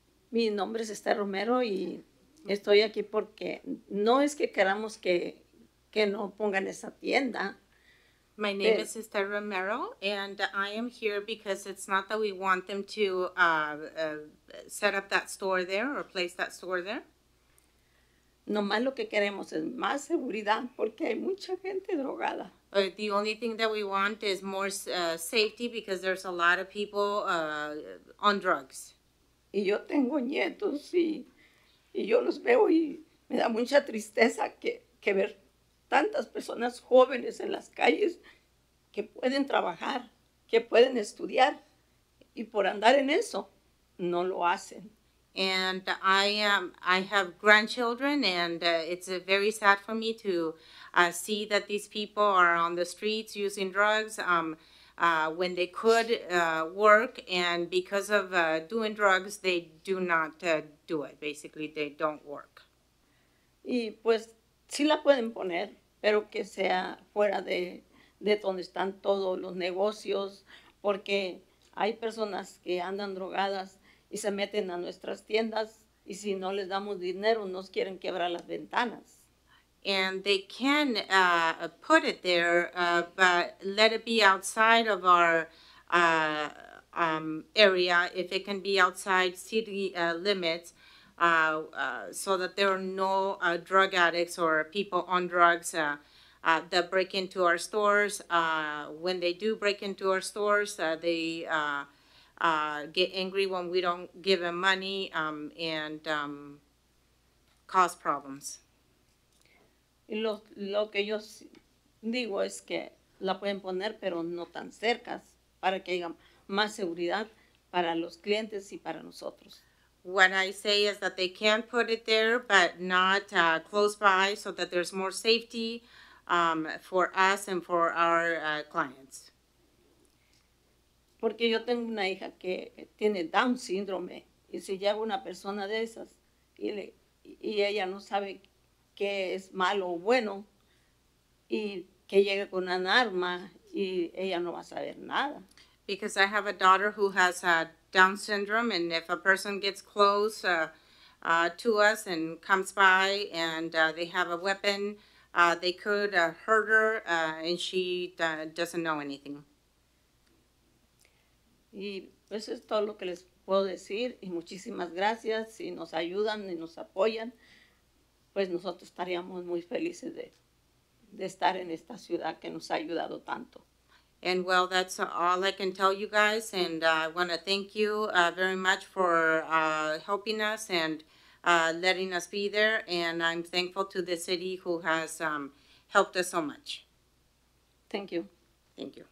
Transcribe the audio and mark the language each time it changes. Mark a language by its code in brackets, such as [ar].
[es] Mi nombre es Esther Romero y estoy aquí porque no es que queramos que no pongan esa tienda. [en] My name is Esther Romero, and I am here because it's not that we want them to set up that store there or place that store there. [es] Nomás lo que queremos es más seguridad porque hay mucha gente drogada. [en] The only thing that we want is more safety because there's a lot of people on drugs. [es] Y yo tengo nietos y yo los veo y me da mucha tristeza que ver tantas personas jóvenes en las calles que pueden trabajar, que pueden estudiar, y por andar en eso, no lo hacen. [en] And I have grandchildren, and it's very sad for me to see that these people are on the streets using drugs when they could work, and because of doing drugs, they do not do it. Basically, they don't work. [es] Y pues, sí la pueden poner, pero que sea fuera de donde están todos los negocios, porque hay personas que andan drogadas y se meten a nuestras tiendas, y si no les damos dinero, nos quieren quebrar las ventanas. [en] And they can put it there, but let it be outside of our area, if it can be outside city limits, so that there are no drug addicts or people on drugs that break into our stores. When they do break into our stores, they get angry when we don't give them money and cause problems. [es] Y lo que yo digo es que la pueden poner, pero no tan cerca, para que haya más seguridad para los clientes y para nosotros. [en] What I say is that they can put it there, but not close by, so that there's more safety for us and for our clients. [es] Porque yo tengo una hija que tiene Down síndrome, y si llega una persona de esas y ella no sabe qué es malo o bueno, y que llegue con un arma, y ella no va a saber nada. [en] Because I have a daughter who has a Down syndrome, and if a person gets close to us and comes by and they have a weapon, they could hurt her, and she doesn't know anything. [es] Y eso es todo lo que les puedo decir, y muchísimas gracias, si nos ayudan y nos apoyan, pues nosotros estaríamos muy felices de estar en esta ciudad que nos ha ayudado tanto. [en] And well, that's all I can tell you guys, and I want to thank you very much for helping us and letting us be there, and I'm thankful to the city who has helped us so much. Thank you. Thank you.